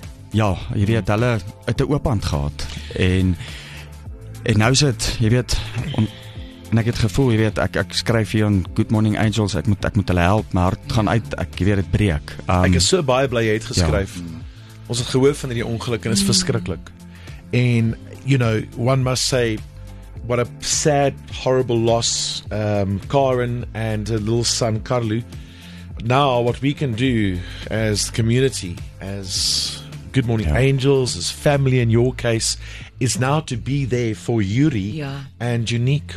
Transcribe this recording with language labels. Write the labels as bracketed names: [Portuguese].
[Afrikaans] Ja, jy weet, hulle het 'n oop hand gehad. En nou is dit, jy weet, en ek het gevoel, jy weet, ek skryf hier aan Good Morning Angels, ek moet hulle help, maar het gaan uit, ek weet het breek. Ek is so baie bly, jy het geskryf, ja. Ons het gehoor van die ongeluk, en is verskrikkelijk. [English] En, you know, one must say, what a sad, horrible loss, Karen and her little son, Carlu. Now, what we can do as the community, as Good Morning Angels, as family in your case, is now to be there for Yuri and Junique.